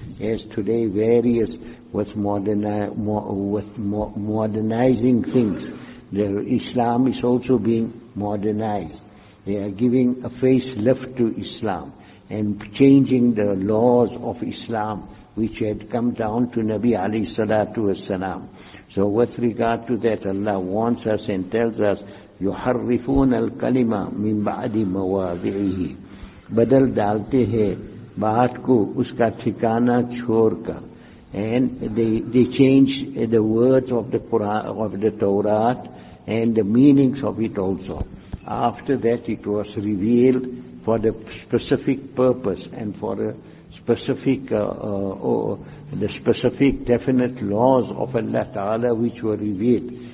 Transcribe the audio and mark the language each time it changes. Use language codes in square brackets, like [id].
[en] As today various modernizing things, the Islam is also being modernized. They are giving a facelift to Islam and changing the laws of Islam which had come down to Nabi alayhi salatu wasalam. So with regard to that, Allah warns us and tells us, [ar] يُحَرِّفُونَ الْكَلِمَ مِنْ بَعْدِ مَوَاضِعِهِ, [ur] بدل ڈالتے ہیں بات کو اس کا ٹھکانہ چھوڑ کر. [en] And they change the words of the Quran, of the Torah, and the meanings of it also. After that it was revealed for the specific purpose and for a specific the specific definite laws of Allah Ta'ala which were revealed.